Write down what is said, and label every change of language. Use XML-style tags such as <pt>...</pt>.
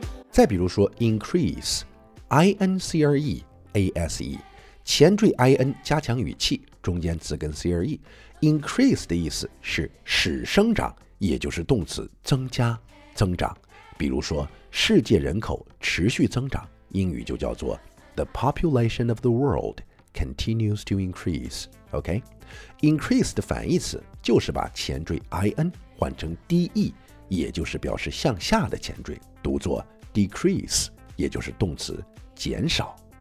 <zh>再比如说 increase， I-N-C-R-E-A-S-E， 前缀 I-N 加强语气，中间词根 C-R-E， increase 的意思是使生长，也就是动词增加增长。比如说世界人口持续增长，英语就叫做</zh> <en>the population of the world continues to increase， OK？</en> <zh>increase 的反义词就是把前缀 I-N 换成 D-E， 也就是表示向下的前缀，读作decrease， 也就是动词减少。</zh>